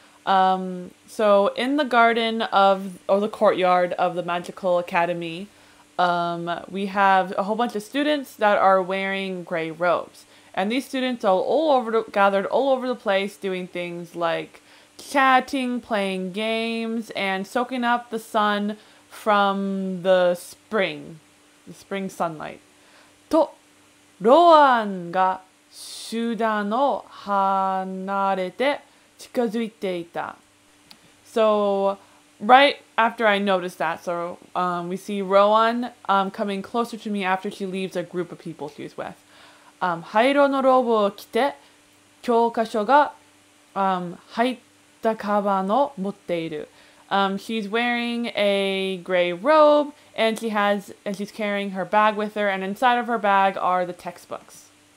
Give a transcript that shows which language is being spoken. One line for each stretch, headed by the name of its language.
English: So in the garden of, or the courtyard of the Magical Academy, we have a whole bunch of students that are wearing gray robes. And these students are gathered all over the place doing things like chatting, playing games, and soaking up the sun from the spring sunlight.
Japanese: と、ローアンが集団を離れて近づいていた。
English: So, right after I noticed that, we see Rowan coming closer to me after she leaves a group of people she's with.
Japanese: 灰色のローブを着て、教科書が入ったカバンを持っている。
English: She's wearing a gray robe, and she's carrying her bag with her, and inside of her bag are the textbooks.